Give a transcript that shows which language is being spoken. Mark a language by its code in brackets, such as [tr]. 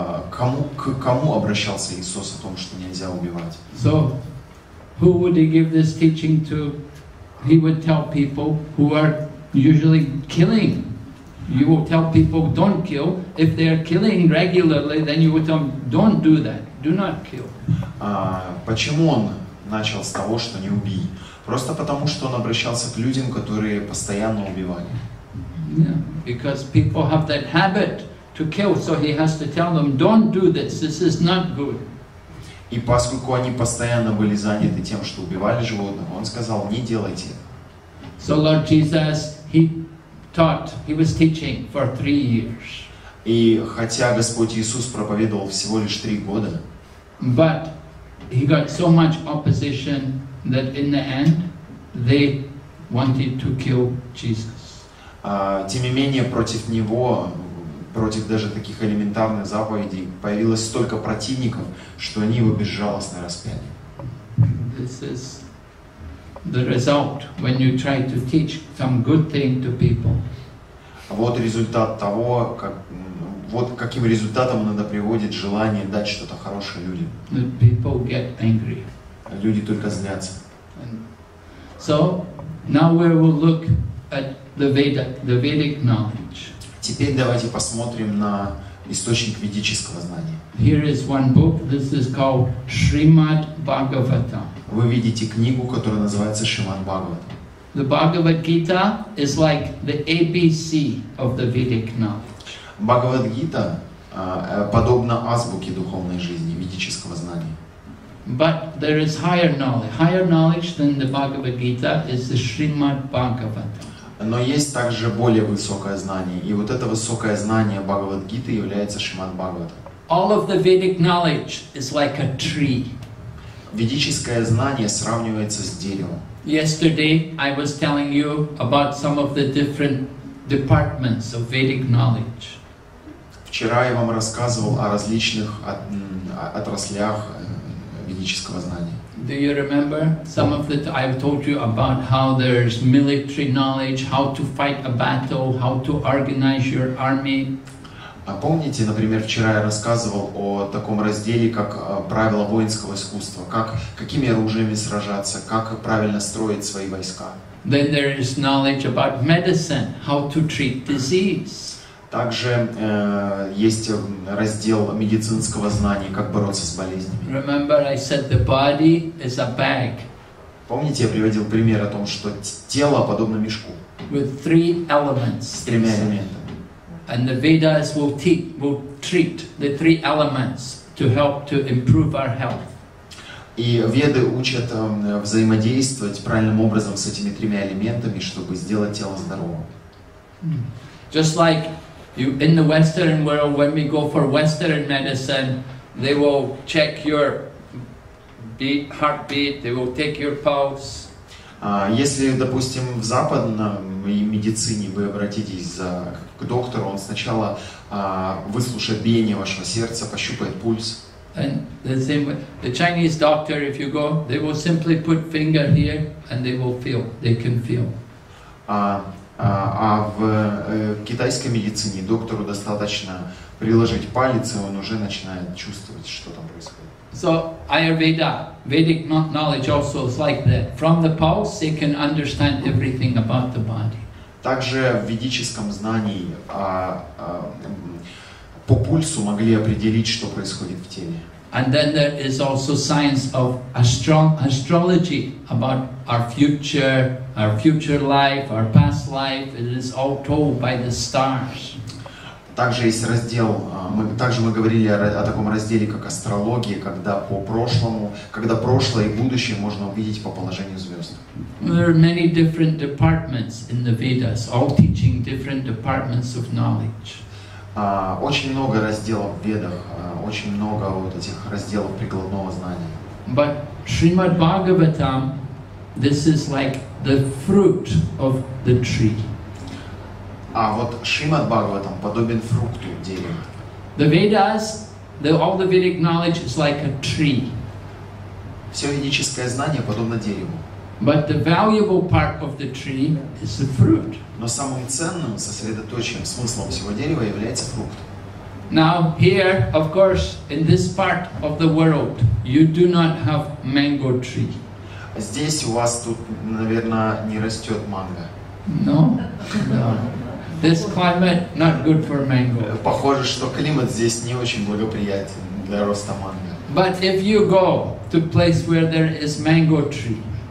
[ru] К кому обращался Иисус о том, что нельзя убивать? [en] So who would he give this teaching to? He would tell people who are usually killing. You will tell people don't kill. If they are killing regularly, then you would tell them don't do that. Do not kill. [ru] Почему он начал с того, что не убий? Просто потому, что он обращался к людям, которые постоянно убивали. [en] Yeah, because people have that habit to kill, so he has to tell them don't do this. This is not good. [ru] И поскольку они постоянно были заняты тем, что убивали животных, он сказал не делайте. [en] So Lord Jesus, he was teaching for 3 years. [ru] И хотя Господь Иисус проповедовал всего лишь 3 года, [en] but he got so much opposition that in the end they wanted to kill Jesus. [ru] Тем не менее против него, против даже таких элементарных заповедей, появилось столько противников, что они его безжалостно распяли. [en] This is the result when you try to teach some good thing to people. [ru] Вот результат того, каким результатом иногда приводит желание дать что-то хорошее людям. [en] People get angry. [ru] Люди только злятся. [en] So now we will look at the Vedic knowledge. [ru] Теперь давайте посмотрим на источник ведического знания. [en] Here is one book. This is called Srimad Bhagavatam. [ru] Вы видите книгу, которая называется Шримад Бхагаватам. [en] The Bhagavad Gita is like the ABC of the Vedic knowledge. [ru] Bhagavad Gita подобна азбуке духовной жизни, ведического знания. [en] But there is higher knowledge. Higher knowledge than the Bhagavad Gita is the Srimad Bhagavatam. [ru] Но есть также более высокое знание, и вот это высокое знание Бхагавад Гиты является Шримад Бхагаватам. [en] All of the Vedic knowledge is like a tree. [ru] Ведическое знание сравнивается с деревом. [en] Yesterday I was telling you about some of the different departments of Vedic knowledge. [ru] Вчера я вам рассказывал о различных отраслях ведического знания. [en] Do you remember some of the? I told you about how there's military knowledge, how to fight a battle, how to organize your army. [ru] А помните, например, вчера я рассказывал о таком разделе, как правила воинского искусства, какими оружиями сражаться, как правильно строить свои войска. [en] Then there is knowledge about medicine, how to treat disease. [ru] Также есть раздел медицинского знания, как бороться с болезнями. [en] Remember, I said the body is a bag. [ru] Помните, я приводил пример о том, что тело подобно мешку. [en] With three elements. [ru] С тремя элементами. [en] And the Vedas will treat the three elements to help to improve our health. [ru] И Веды учат взаимодействовать правильным образом с этими тремя элементами, чтобы сделать тело здоровым. [en] Just like you in the Western world, when we go for Western medicine, they will check your heartbeat, they will take your pulse. [ru] Если, допустим, в западной медицине вы обратитесь к доктору, он сначала выслушает биение вашего сердца, пощупает пульс. [en] And the same way, the Chinese doctor, if you go, they will simply put finger here and they will feel, they can feel. [ru] А в китайской медицине доктору достаточно приложить палец, и он уже начинает чувствовать, что там происходит. [en] So Ayurveda, Vedic knowledge also is like that. From the pulse, they can understand everything about the body. [ru] Также в ведическом знании по пульсу могли определить, что происходит в теле. [en] And then there is also science of astrology about our future life, our past life. It is all told by the stars. [ru] Также есть раздел, мы говорили о таком разделе, как астрология, когда прошлое и будущее можно увидеть по положению звезд. [en] There are many different departments in the Vedas, all teaching different departments of knowledge. [ru] Очень много разделов в Ведах, очень много вот этих разделов прикладного знания. [en] But Srimad Bhagavatam, this is like the fruit of the tree. [ru] А вот Шримад Бхагаватам подобен фрукту дерева. [en] The Vedas, all the Vedic knowledge is like a tree. [ru] Все ведическое знание подобно дереву. [en] But the valuable part of the tree is the fruit. [ru] Но самым ценным, сосредоточенным смыслом всего дерева является фрукт. [en] Now here, of course, in this part of the world, you do not have mango tree. [ru] Здесь у вас тут, наверное, не растет манго. [en] No. This climate not good for mango. [ru] Похоже, что климат здесь не очень благоприятен для роста манго. [en] But if you go to place where there is mango tree.